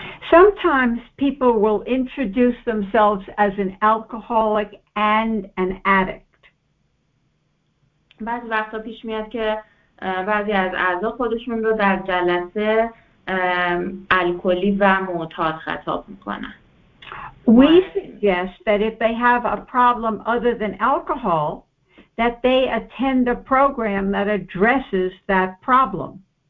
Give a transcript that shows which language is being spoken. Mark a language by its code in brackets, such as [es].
[en] Sometimes people will introduce themselves as an alcoholic and an addict. [fa] بعضی وقتا پیش میاد که بعضی از اعضا خودشون رو در جلسه الکلی و معتاد خطاب میکنن. [en] We suggest that if they have a problem other than alcohol, that they attend a program that addresses that problem.